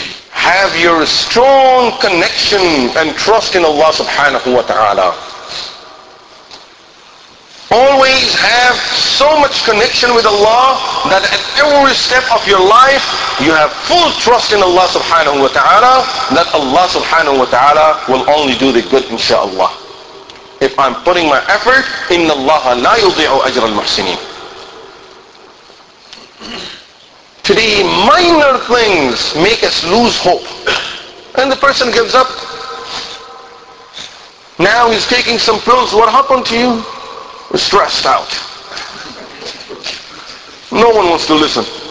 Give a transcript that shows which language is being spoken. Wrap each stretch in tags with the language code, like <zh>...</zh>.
<en>Have your strong connection and trust in Allah subhanahu wa ta'ala. Always have so much connection with Allah that at every step of your life you have full trust in Allah subhanahu wa ta'ala, that Allah subhanahu wa ta'ala will only do the good insha'Allah. If I'm putting my effort,</en> <ar>إِنَّ اللَّهَ لَا يُضِيعُ أَجْرَ الْمُحْسِنِينَ.</ar> <en>Today, minor things make us lose hope. And the person gives up. Now he's taking some pills. What happened to you? We're stressed out. No one wants to listen.</en>